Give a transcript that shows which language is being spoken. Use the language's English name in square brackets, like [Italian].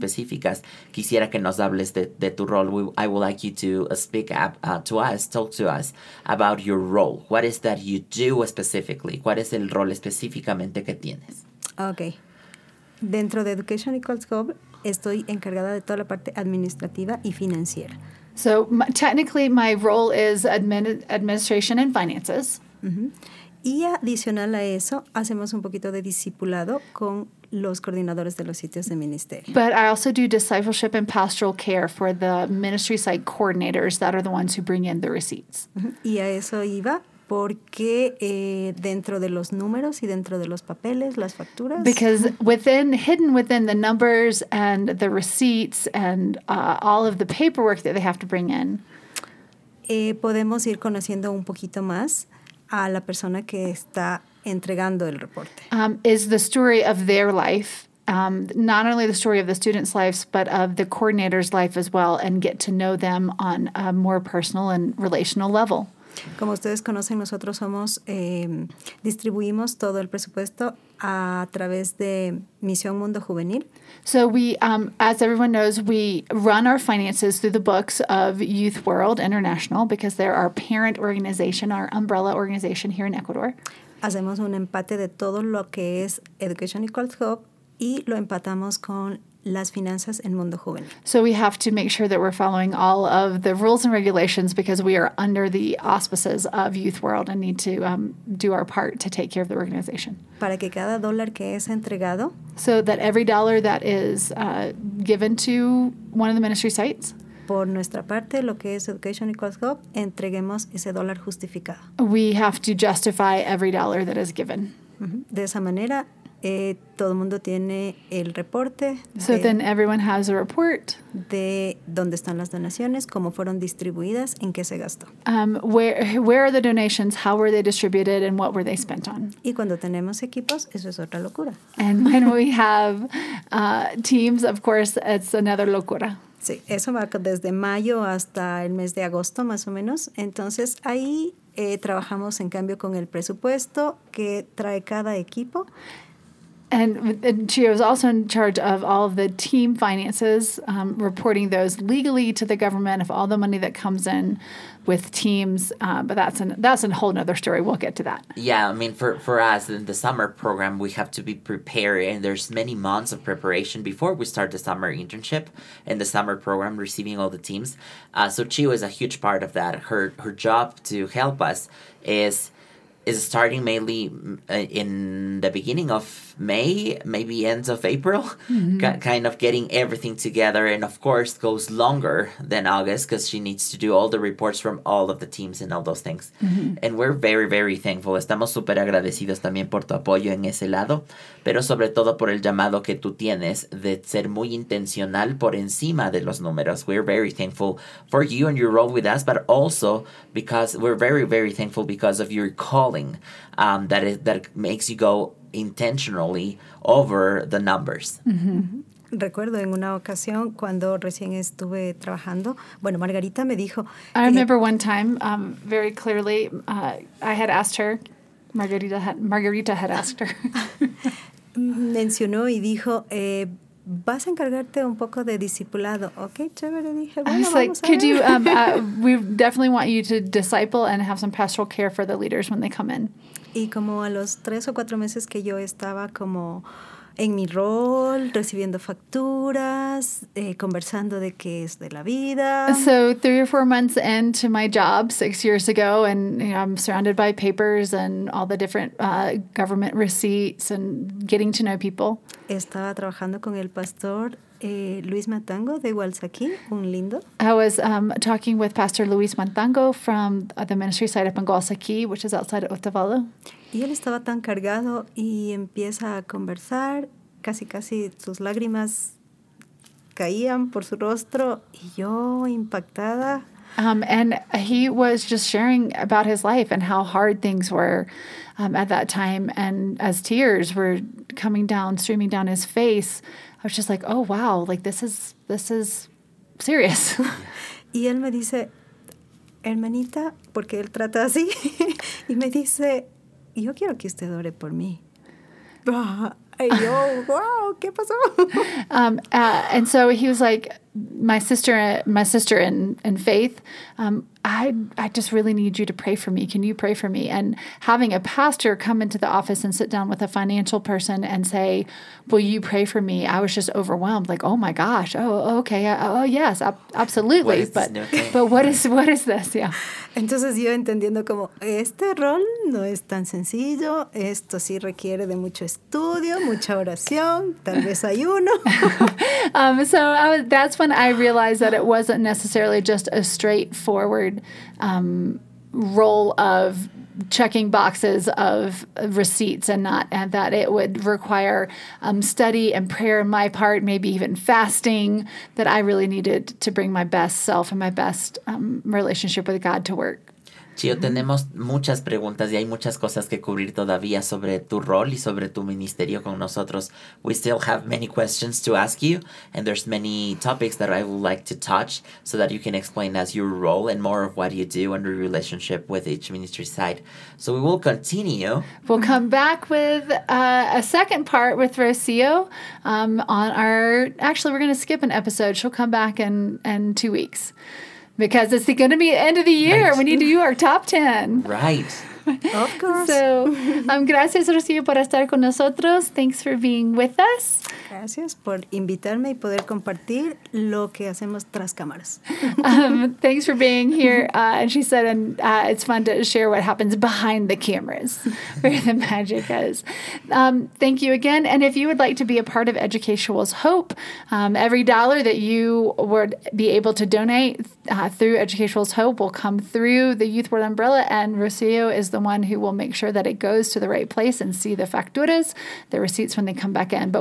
[Spanish] específicas, quisiera que nos hables de tu rol. [English] I would like you to speak up to us, talk to us about your role. What is that you do specifically? [Spanish] ¿Cuál es el rol específicamente que tienes? Okay. Dentro de Education Equals Hub, estoy encargada de toda la parte administrativa y financiera. [English] So technically, my role is administration and finances. [Spanish] Mm-hmm. Y adicional a eso, hacemos un poquito de discipulado con los coordinadores de los sitios de ministerio. [English] But I also do discipleship and pastoral care for the ministry site coordinators that are the ones who bring in the receipts. Mm-hmm. [Spanish] Y a eso iba porque dentro de los números y dentro de los papeles, las facturas. [English] Because hidden within the numbers and the receipts and all of the paperwork that they have to bring in. [Spanish] Podemos ir conociendo un poquito más a la persona que está entregando el reporte. [English] Is the story of their life. Not only the story of the students' lives, but of the coordinator's life as well, and get to know them on a more personal and relational level. [Spanish] Como ustedes conocen, nosotros somos, distribuimos todo el presupuesto a través de Misión Mundo Juvenil. [English] So we, as everyone knows, we run our finances through the books of Youth World International because they're our parent organization, our umbrella organization here in Ecuador. [Spanish] Hacemos un empate de todo lo que es Education Equals Hope y lo empatamos con las finanzas en Mundo Juvenil. [English] So we have to make sure that we're following all of the rules and regulations because we are under the auspices of Youth World and need to do our part to take care of the organization. [Spanish] Para que cada dólar que es entregado. [English] So that every dollar that is given to one of the ministry sites. [Spanish] Por nuestra parte, lo que es Education Equals Hope, entreguemos ese dólar justificado. [English] We have to justify every dollar that is given. Mm-hmm. [Spanish] De esa manera, todo mundo tiene el reporte. [English] So then everyone has a report. [Spanish] De dónde están las donaciones, cómo fueron distribuidas, en qué se gastó. [English] Where are the donations, how were they distributed, and what were they spent on? [Spanish] Y cuando tenemos equipos, eso es otra locura. [English] And when we have teams, of course, it's another locura. [Spanish] Sí, eso va desde mayo hasta el mes de agosto, más o menos. Entonces, ahí trabajamos, en cambio, con el presupuesto que trae cada equipo. [English] And she was also in charge of all of the team finances, reporting those legally to the government of all the money that comes in with teams. But that's a whole nother story. We'll get to that. Yeah. I mean, for us in the summer program, we have to be prepared. And there's many months of preparation before we start the summer internship and the summer program, receiving all the teams. So she was a huge part of that. Her job to help us is starting mainly in the beginning of May, maybe end of April, kind of getting everything together. And of course, goes longer than August because she needs to do all the reports from all of the teams and all those things. Mm-hmm. And we're very, very thankful. [Spanish] Estamos súper agradecidos también por tu apoyo en ese lado, pero sobre todo por el llamado que tú tienes de ser muy intencional por encima de los números. [English] We're very thankful for you and your role with us, but also because we're very, very thankful because of your calling that makes you go intentionally over the numbers. [Spanish] Recuerdo en una ocasión cuando recién estuve trabajando, bueno, Margarita me dijo. [English] I remember one time, very clearly, I had asked her, Margarita had asked her. [Spanish] Mencionó y dijo, vas a encargarte un poco de discipulado. Okay, chévere, dije, bueno, [English] I was [Spanish] vamos [English] like, a could [Spanish] ver. [English] You, we definitely want you to disciple and have some pastoral care for the leaders when they come in. [Spanish] Y como a los tres o cuatro meses que yo estaba como en mi rol, recibiendo facturas, conversando de qué es de la vida. [English] So three or four months into my job 6 years ago, and you know, I'm surrounded by papers and all the different government receipts and getting to know people. [Spanish] Estaba trabajando con el pastor Luis Matango de Gualzaquín, un lindo. [English] I was talking with Pastor Luis Matango from the ministry site up in Gualzaquín, which is outside of Otavalo. [Spanish] Y él estaba tan cargado y empieza a conversar, casi casi sus lágrimas caían por su rostro y yo impactada. [English] And he was just sharing about his life and how hard things were at that time. And as tears were coming down, streaming down his face, I was just like, oh, wow, like this is serious. [Spanish] Y él me dice, hermanita, porque él trata así, y me dice, yo quiero que usted ore por mí. Y yo, wow, ¿qué pasó? [English] And so he was like, my sister in faith, I just really need you to pray for me. Can you pray for me? And having a pastor come into the office and sit down with a financial person and say, will you pray for me? I was just overwhelmed. Like, oh my gosh. Oh, okay. Oh yes, absolutely. But what is this? Yeah. [Spanish] Entonces yo entendiendo como este rol no es tan sencillo. Esto sí requiere de mucho estudio, mucha oración, tal vez ayuno. [English] That's when I realized that it wasn't necessarily just a straightforward role of checking boxes of receipts and not, and that it would require study and prayer on my part, maybe even fasting, that I really needed to bring my best self and my best relationship with God to work. [Spanish] Chío, tenemos muchas preguntas y hay muchas cosas que cubrir todavía sobre tu rol y sobre tu ministerio con nosotros. [English] We still have many questions to ask you, and there's many topics that I would like to touch so that you can explain us your role and more of what you do and your relationship with each ministry side. So we will continue. We'll come back with a second part with Rocio on our... Actually, we're going to skip an episode. She'll come back in 2 weeks. Because it's going to be the end of the year. Right. We need to do our top 10. Right. Of course. So, [Spanish] gracias, Rocio, por estar con nosotros. [English] Thanks for being with us. [Spanish] Gracias por invitarme y poder compartir lo que hacemos tras cámaras. [English] Thanks for being here. And she said, it's fun to share what happens behind the cameras, where the magic is. Thank you again. And if you would like to be a part of Educational's Hope, every dollar that you would be able to donate through Educational's Hope will come through the Youth Board umbrella, and Rocio is the one who will make sure that it goes to the right place and see the facturas, the receipts when they come back in.